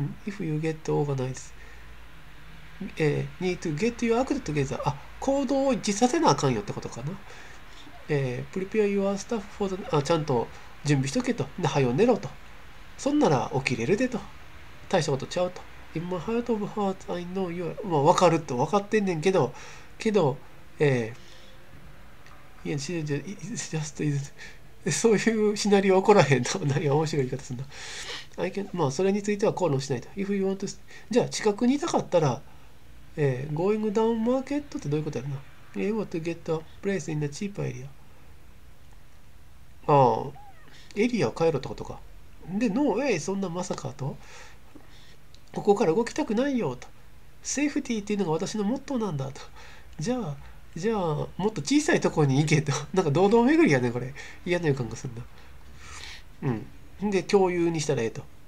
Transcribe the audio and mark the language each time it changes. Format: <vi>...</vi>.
<en>If you get organized, need to get your act together.</en> <ja>行動を実させなあかんよってことかな。</ja> <en>Prepare your staff for the,</en> <ja>ちゃんと準備しとけと。で、早寝ろと。そんなら起きれるでと。大したことちゃうと。</ja> <en>In my heart of hearts, I know you are...</en> <ja>まあ、わかると。わかってんねんけど。けど、そういうシナリオ起こらへんと。何が面白い言い方すんな。</ja> <en>I can...</en> <ja>まあ、それについては口論しないと。</ja> <en>If you want to...</en> <ja>じゃあ、近くにいたかったら、</ja> <en>going down market</en> <ja>ってどういうことやるな。</ja> <en>You want to get a place in the cheap area.</en> <ja>エリアを変えろってことか。で、ノーウェイ、そんなまさかと。ここから動きたくないよと。セーフティーっていうのが私のモットーなんだと。じゃあ、もっと小さいところに行けと。なんか堂々巡りやね、これ。嫌な予感がするな。うん。で、共有にしたらええと。</ja>